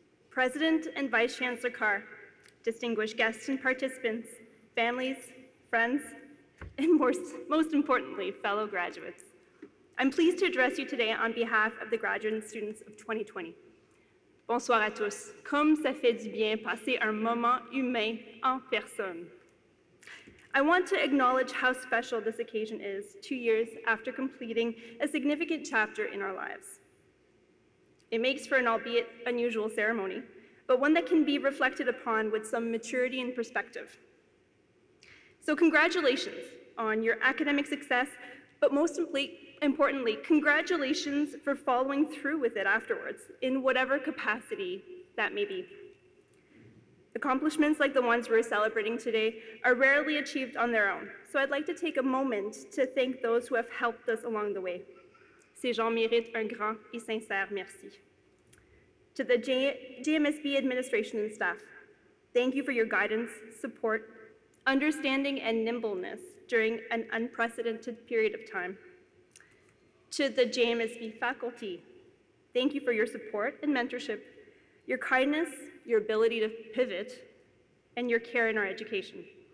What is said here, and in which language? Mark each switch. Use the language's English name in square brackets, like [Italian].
[English] President and Vice Chancellor Carr, distinguished guests and participants, families, friends, and most importantly, fellow graduates. I'm pleased to address you today on behalf of the graduate and students of 2020. [French] Bonsoir à tous. Comme ça fait du bien passer un moment humain en personne. [English] I want to acknowledge how special this occasion is, 2 years after completing a significant chapter in our lives. It makes for an albeit unusual ceremony, but one that can be reflected upon with some maturity and perspective. So congratulations on your academic success, but most importantly, congratulations for following through with it afterwards, in whatever capacity that may be. Accomplishments like the ones we're celebrating today are rarely achieved on their own, so I'd like to take a moment to thank those who have helped us along the way. [French] Ces gens méritent un grand et sincère merci. [English] To the JMSB administration and staff, thank you for your guidance, support, understanding, and nimbleness during an unprecedented period of time. To the JMSB faculty, thank you for your support and mentorship, your kindness, your ability to pivot, and your care in our education.